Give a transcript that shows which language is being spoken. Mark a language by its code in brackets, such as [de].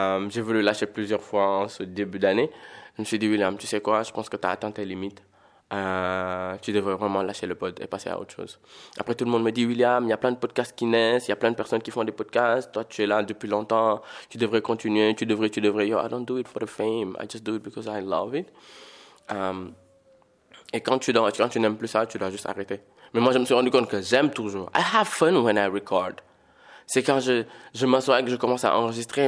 [fr] J'ai voulu lâcher plusieurs fois en ce début d'année. Je me suis dit, William, tu sais quoi, je pense que tu as atteint tes limites. Tu devrais vraiment lâcher le pod et passer à autre chose. Après, tout le monde me dit, William, il y a plein de podcasts qui naissent, il y a plein de personnes qui font des podcasts. Toi, tu es là depuis longtemps, tu devrais continuer, tu devrais. [en] Yo, I don't do it for the fame, I just do it because I love it. [fr] Et quand tu n'aimes plus ça, tu dois juste arrêter. Mais moi, je me suis rendu compte que j'aime toujours. [en] I have fun when I record. [fr] C'est quand je m'assois et que je commence à enregistrer.